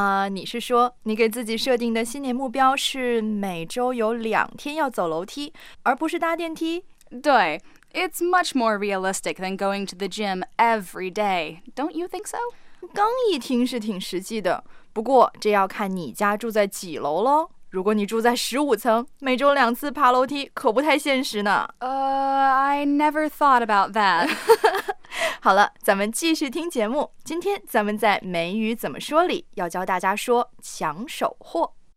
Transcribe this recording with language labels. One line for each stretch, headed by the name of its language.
Chinese: 你是说你给自己设定的新年目标是每周有2天要走楼梯，而不是搭电梯？对。
English: It's much more realistic than going to the gym every day. Don't you think so?
Chinese: 刚一听是挺实际的，不过这要看你家住在几楼咯。如果你住在15层，每周2次爬楼梯可不太现实呢。
English: I never thought about that.
Chinese: 好了，咱们继续听节目。今天咱们在美语怎么说里要教大家说抢手货。